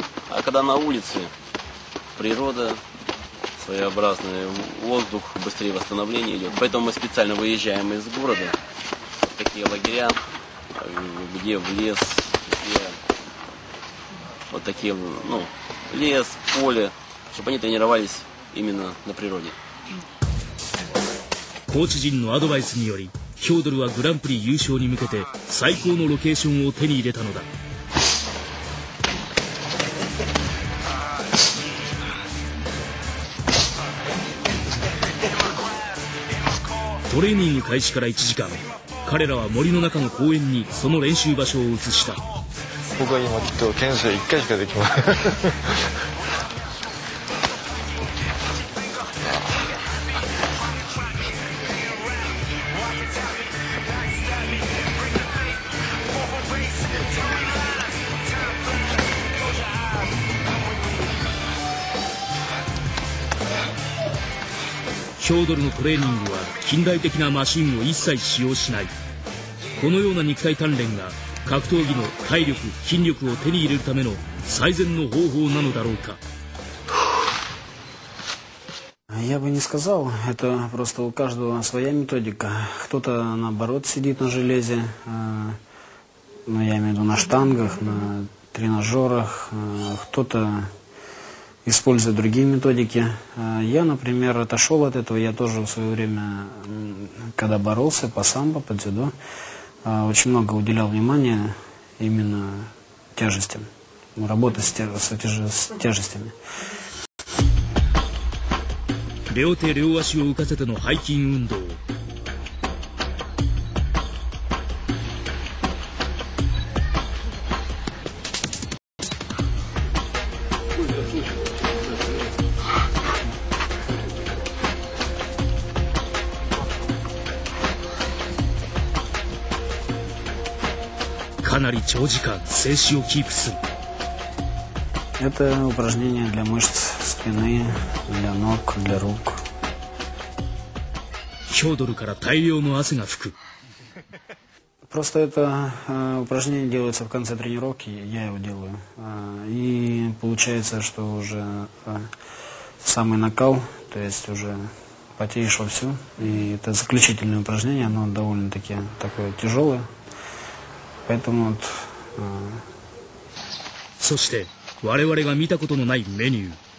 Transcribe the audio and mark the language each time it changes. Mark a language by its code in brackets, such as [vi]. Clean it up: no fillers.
[ru] А когда на улице, природа, своеобразный воздух, быстрее восстановление идет. Поэтому мы специально выезжаем из города, в такие лагеря, где в лес, где вот такие, ну, лес, поле, чтобы они тренировались именно на природе. [ja] Коучинг адвайс により、ヒョードルはグランプリ優勝に向けて最高のロケーションを手に入れたのだ。トレーニング開始から1時間、彼らは森の中の公園にその練習場所を移した。僕は今きっと懸垂1回しかできません。ヒョードルのトレーニングは近代的なマシンを一切使用しない。このような肉体鍛錬が格闘技の体力、筋力を手に入れるための最善の方法なのだろうか。 [ru] Я бы не сказал, это просто у каждого своя методика. Кто-то наоборот сидит на железе, ну я имею в виду на штангах, на тренажерах, кто-то используя другие методики. Я, например, отошел от этого. Я тоже в свое время, когда боролся по самбо, по дзюдо, очень много уделял внимания именно тяжестям. работы с тяжестями. [ja] 両手両足を浮かせての背筋運動。かなり長時間静止をキープする。 [ru] Это упражнение для мышц спины, для ног, для рук. [ja] Фёдор から大量の汗が吹く。 [ru] Просто это упражнение делается в конце тренировки, я его делаю. И получается, что уже самый накал, то есть уже потеешь вовсю. И это заключительное упражнение, оно довольно-таки такое тяжёлое. Поэтому вот... [ja] そして我々が見たことのないメニュ